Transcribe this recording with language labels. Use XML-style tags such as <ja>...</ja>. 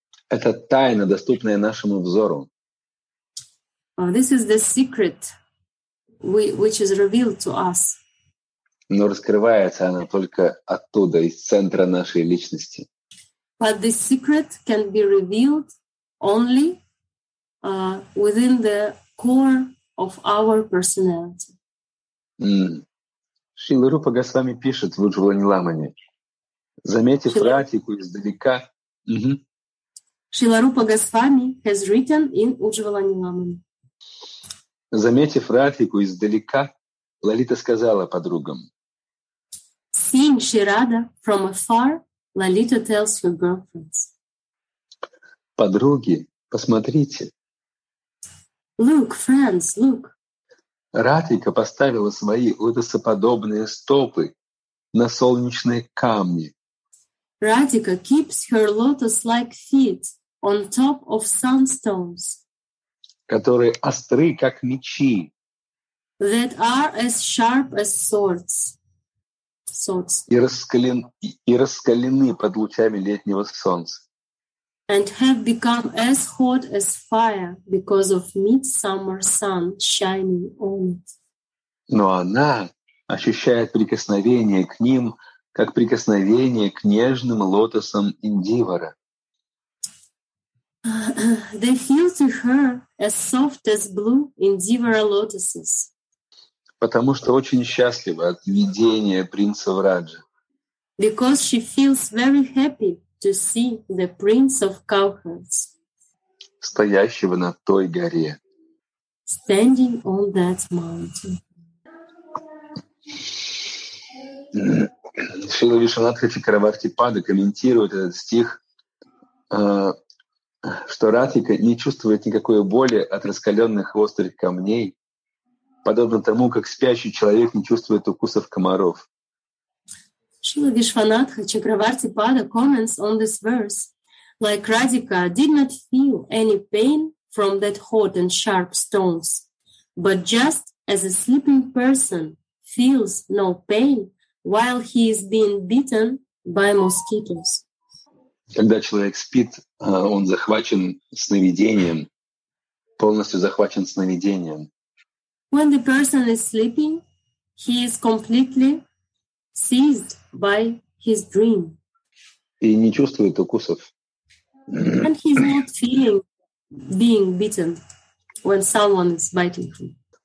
<ru>Это тайна, доступная нашему взору.</ru> <en>This is the secret which is revealed to us.</en> <ru>Но раскрывается она только оттуда, из центра нашей личности.</ru> <en>But the secret can be revealed only within the core of our personality.</en> <ru>Шрила Рупа Госвами пишет в Уджвалани Ламане, заметив Радхику издалека.</ru> <en>Шрила Рупа Госвами has written in Уджвалани Ламане.</en> <ru>Заметив Радхику издалека, Лалита сказала подругам.</ru> <en>Seeing Shirada from afar, Lalita tells her girlfriends.</en> <ru>Подруги, посмотрите.</ru> <en>Look, friends, look.</en> <ru>Радхика поставила свои лотосоподобные стопы на солнечные камни.</ru> <en>Radhika keeps her lotus-like feet on top of sunstones.</en> <ru>Которые остры, как мечи.</ru> <en>That are as sharp as swords.</en> <ru>И раскалены под лучами летнего солнца.</ru> <en>And have become as hot as fire because of midsummer sun shining on it.</en> <ru>Но она ощущает прикосновение к ним, как прикосновение к нежным лотосам Индивара.</ru> <en>They feel to her as soft as blue Indivara lotuses.</en> <ru>Потому что очень счастлива от видения принца Враджа.</ru> <en>Because she feels very happy to see the prince of cowherds.</en> <ru>Стоящего на той горе.</ru> <en>Standing on that mountain.</en> <ru>Шрила Вишванатха Чакраварти Пада комментирует этот стих, что Радхика не чувствует никакой боли от раскаленных острых камней, подобно тому, как спящий человек не чувствует укусов комаров.</ru> <en>Шрила Вишванатха Чакраварти Пада comments on this verse, like Radhika did not feel any pain from that hot and sharp stones, but just as a sleeping person feels no pain while he is being beaten by mosquitoes.</en> <ru>Когда человек спит, он захвачен сновидением, полностью захвачен сновидением.</ru> <en>When the person is sleeping, he is completely seized by his dream.</en> <ru>И не чувствует укусов.</ru> <en>And he's not feeling being beaten when someone is biting him.</en>